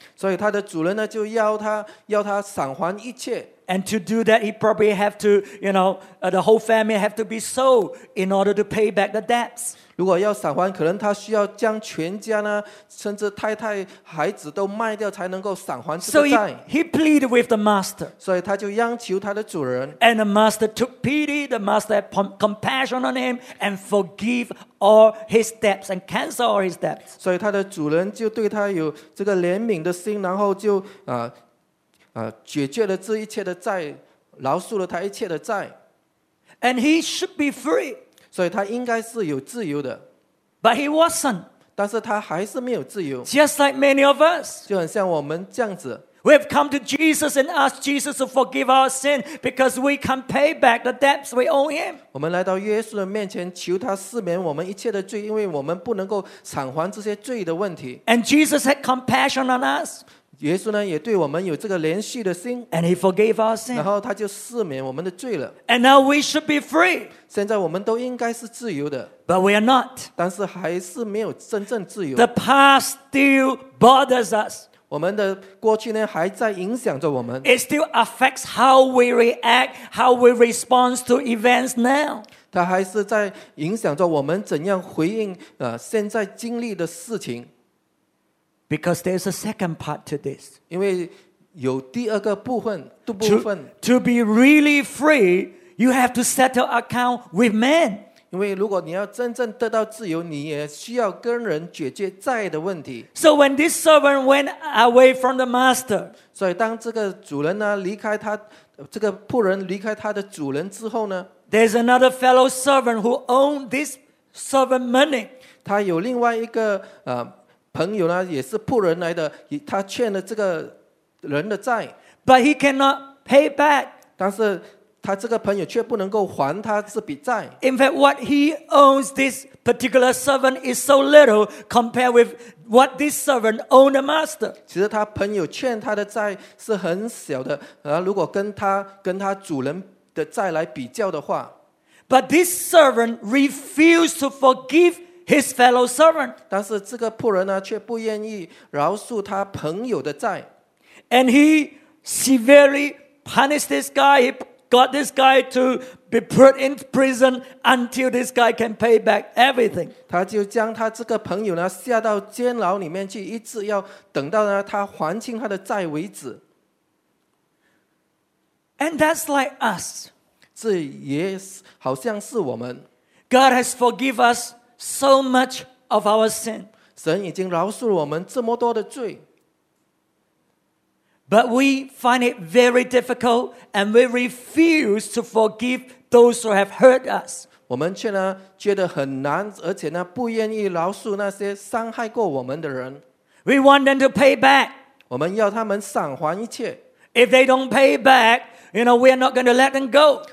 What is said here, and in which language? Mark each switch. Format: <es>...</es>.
<zh>所以他的主人呢就要他偿还一切。</zh> <en>And to do that, he probably have to, you know, the whole family have to be sold in order to pay back the debts.</en> <zh>如果要偿还，可能他需要将全家呢，甚至太太、孩子都卖掉才能够偿还这个债。</zh> <en>So he pleaded with the master.</en> <zh>所以他就央求他的主人。</zh> <en>And the master took pity. The master had compassion on him and forgive all his debts and cancel all his debts.</en> <zh>所以他的主人就对他有这个怜悯的心，然后就解决了这一切的债，饶恕了他一切的债。</zh> <en>And he should be free.</en> <zh>所以他应该是有自由的。</zh> <en>But he wasn't.</en> <zh>但是他还是没有自由。</zh> <en>Just like many of us.</en> <zh>就很像我们这样子。</zh> <en>We have come to Jesus and asked Jesus to forgive our sin because we can pay back the debts we owe him.</en> <zh>我们来到耶稣的面前求他赦免我们一切的罪，因为我们不能够偿还这些罪的问题。</zh> <en>And Jesus had compassion on us.</en> <zh>耶稣呢也对我们有这个怜恤的心。</zh> <en>And he forgave our sin.</en> <zh>然后他就赦免我们的罪了。</zh> <en>And now we should be free.</en> <zh>现在我们都应该是自由的。</zh> <en>But we are not.</en> <zh>但是还是没有真正自由。</zh> <en>The past still bothers us.</en> <zh>我们的过去呢还在影响着我们。</zh> <en>It still affects how we react, how we respond to events now.</en> <zh>它还是在影响着我们怎样回应现在经历的事情。</zh> <en>Because there's a second part to this.</en> <zh>因为有第二个部分, 第二部分。</zh> <en>To be really free, you have to settle account with man.</en> <zh>因为如果你要真正得到自由，你也需要跟人解决债的问题。</zh> <en>So when this servant went away from the master,</en> <zh>所以当这个主人呢离开他，这个仆人离开他的主人之后呢，</zh> <en>there's another fellow servant who owned this servant money.</en> <zh>他有另外一个朋友呢也是仆人来的，他欠了这个人的债。</zh> <en>But he cannot pay back.</en> <zh>但是他这个朋友却不能够还他这笔债。</zh> <en>In fact, what he owes this particular servant is so little compared with what this servant owed the master.</en> <zh>其实他朋友欠他的债是很小的，如果跟他主人的债来比较的话。</zh> <en>But this servant refused to forgive his fellow servant.</en> <zh>但是这个仆人呢却不愿意饶恕他朋友的债。</zh> <en>And he severely punished this guy. He got this guy to be put in prison until this guy can pay back everything.</en> <zh>他就将他这个朋友呢下到监牢里面去，一直要等到呢他还清他的债为止。</zh> <en>And that's like us.</en> <zh>这也好像是我们。</zh> <en>God has forgiven us so much of our sin.</en> <zh>神已经饶恕了我们这么多的罪。</zh> <en>But we find it very difficult and we refuse to forgive those who have hurt us.</en> <zh>我们却呢觉得很难，而且呢不愿意饶恕那些伤害过我们的人。</zh> <en>We want them to pay back.</en> <zh>我们要他们偿还一切。</zh> <en>If they don't pay back, you know, we are not going to let them go.</en>